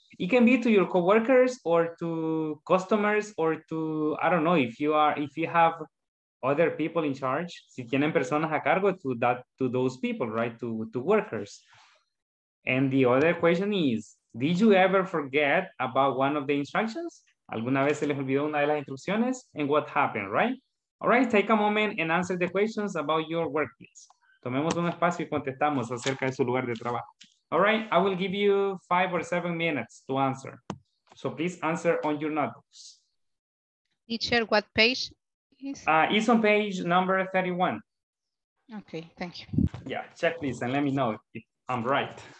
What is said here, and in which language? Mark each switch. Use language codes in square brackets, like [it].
[en] It can be to your coworkers or to customers or to, I don't know, if you have other people in charge, [es] si tienen personas a cargo [en] to those people, right? To workers. And the other question is, did you ever forget about one of the instructions? [es] ¿Alguna vez se les olvidó una de las instrucciones? [en] And what happened, right? All right, take a moment and answer the questions about your workplace. [es] Tomemos un espacio y contestamos acerca de su lugar de trabajo. [en] All right, I will give you 5 or 7 minutes to answer. So please answer on your notebooks. Teacher, what page is? It's on page number 31. Okay, thank you. Yeah, check please and let me know if I'm right.